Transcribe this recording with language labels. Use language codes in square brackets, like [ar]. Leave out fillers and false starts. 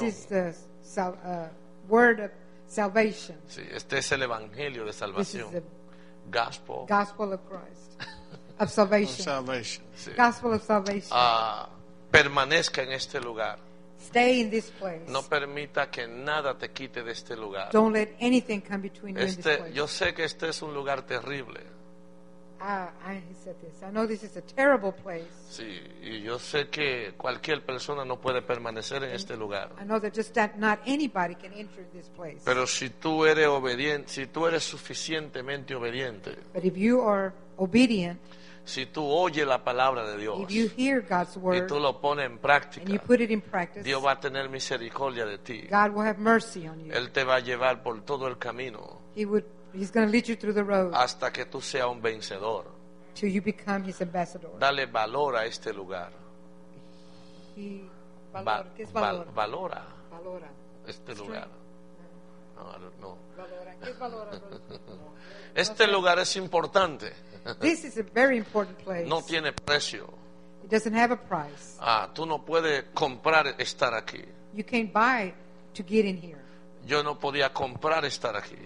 [en] This is the word of salvation. [es] Sí, este es el evangelio de salvación. [en] Gospel of Christ. Of salvation. Of salvation. [es] Sí. [en] Gospel of salvation. [es] Permanezca en este lugar. [en] Stay in this place. [es] No permita que nada te quite de este lugar. [en] Don't let anything come between you and this place. [es] Yo sé que este es un lugar terrible. [en] I know this is a terrible place. [es] Sí, y yo sé que cualquier persona no puede permanecer en este lugar. [en] I know that just that not anybody can enter this place. [es] Pero si tú eres obediente, si tú eres suficientemente obediente. [en] But if you are obedient, [es] si tú oyes la palabra de Dios, [en] if you hear God's word, [es] y tú lo pones en práctica, [en] and you put it in practice, [es] Dios va a tener misericordia de ti. [en] God will have mercy on you. [es] Él te va a llevar por todo el camino. [en] He's going to lead you through the road. [es] Hasta que tú sea un vencedor. [en] Till you become his ambassador. [es] Dale valor a este lugar. Valora. Valora. Este lugar. No. Valora. Este lugar es importante. [en] This is a very important place. [es] No tiene precio. [en] It doesn't have a price. [es] Tú no puedes comprar estar aquí. [en] You can't buy to get in here. [es] Yo no podía comprar estar aquí.